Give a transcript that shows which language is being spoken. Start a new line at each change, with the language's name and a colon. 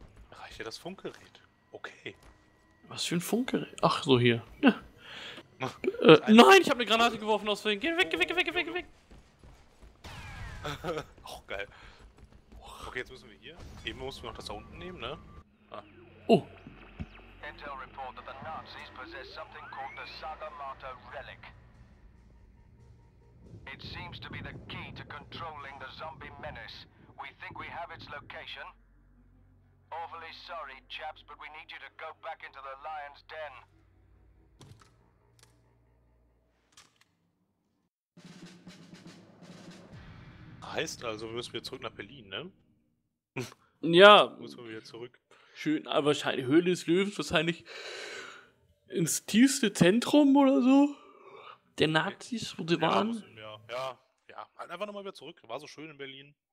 German: Erreicht ihr das Funkgerät? Okay. Was für ein Funkgerät? Ach, so hier. Ja. nein, ich habe eine Granate geworfen aus Versehen. Geh weg. Ach, geil. Okay, jetzt müssen wir hier. Eben mussten wir noch das da unten nehmen, ne? Ah. Oh.
English: Intel report that the Nazis possess something called the Saga Mater Relic. It seems to be the key to controlling the zombie menace. We think we have its location. Awfully sorry, chaps, but we need you to go back into the lion's den.
German: Heißt also, wir müssen wieder zurück nach Berlin, ne? Ja. Müssen wir wieder zurück. Schön, aber wahrscheinlich Höhle des Löwens, wahrscheinlich ins tiefste Zentrum oder so. Der Nazis, wo sie waren. Ja, halt einfach nochmal wieder zurück. War so schön in Berlin.